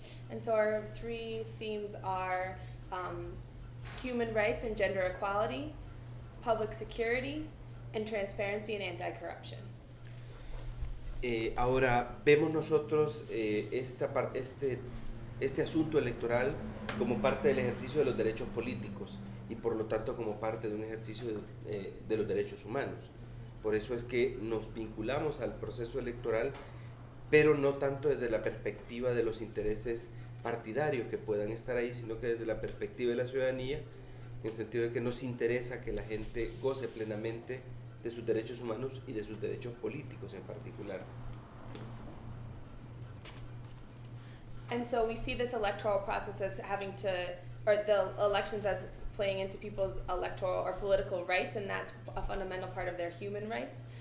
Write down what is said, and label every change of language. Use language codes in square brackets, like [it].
[en] And so our three themes are human rights and gender equality, public security, and transparency and anti-corruption. [es] Ahora vemos nosotros este asunto electoral como parte del ejercicio de los derechos políticos y por lo tanto como parte de un ejercicio de los derechos humanos. Por eso es que nos vinculamos al proceso electoral, pero no tanto desde la perspectiva de los intereses partidarios que puedan estar ahí, sino que desde la perspectiva de la ciudadanía, en el sentido de que nos interesa que la gente goce plenamente de sus derechos humanos y de sus derechos políticos en particular. [en] And so we see this electoral process as having to, or the elections as playing into people's electoral or political rights, and that's a fundamental part of their human rights.